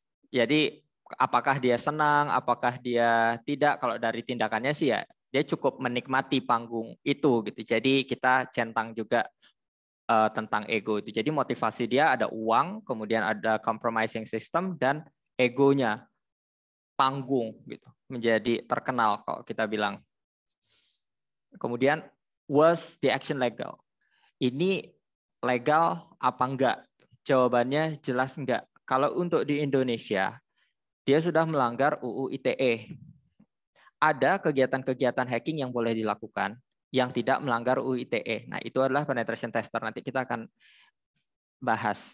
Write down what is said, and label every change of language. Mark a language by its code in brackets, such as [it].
[id] Jadi apakah dia senang, apakah dia tidak, kalau dari tindakannya sih ya, dia cukup menikmati panggung itu gitu. Jadi kita centang juga tentang ego itu. Jadi motivasi dia ada uang, kemudian ada compromising system dan egonya, panggung gitu, menjadi terkenal kalau kita bilang. [en] Kemudian was the action legal? [id] Ini legal apa enggak? Jawabannya jelas enggak. Kalau untuk di Indonesia, dia sudah melanggar UU ITE. Ada kegiatan-kegiatan hacking yang boleh dilakukan yang tidak melanggar UU ITE. Nah, itu adalah penetration tester. Nanti kita akan bahas.